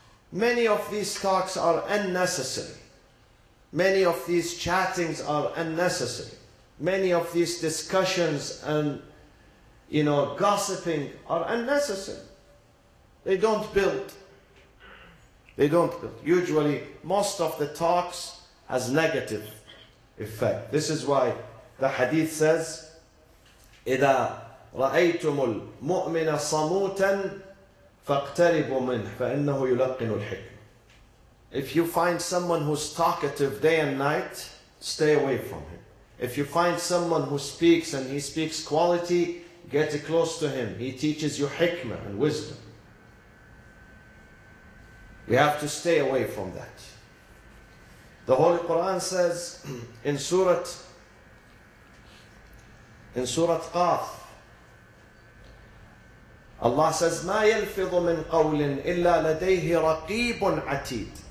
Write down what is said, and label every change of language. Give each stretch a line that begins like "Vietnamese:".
English: Many of these talks are unnecessary. Many of these chattings are unnecessary. Many of these discussions and, you know, gossiping are unnecessary. They don't build. They don't build. Usually, most of the talks has negative effect. This is why the hadith says,
Arabic: إِذَا رَأَيْتُمُ الْمُؤْمِنَ صَمُوتًا فَاقْتَرِبُوا مِنْهُ فَإِنَّهُ يُلَقِّنُ الْحِكْمَ.
English: If you find someone who's talkative day and night, stay away from him. If you find someone who speaks and he speaks quality, get close to him. He teaches you hikmah and wisdom. We have to stay away from that. The Holy Quran says in Surah Qaf, Allah says,
Arabic: مَا يَلْفِظُ مِنْ قَوْلٍ إِلَّا لَدَيْهِ رَقِيبٌ عَتِيدٌ.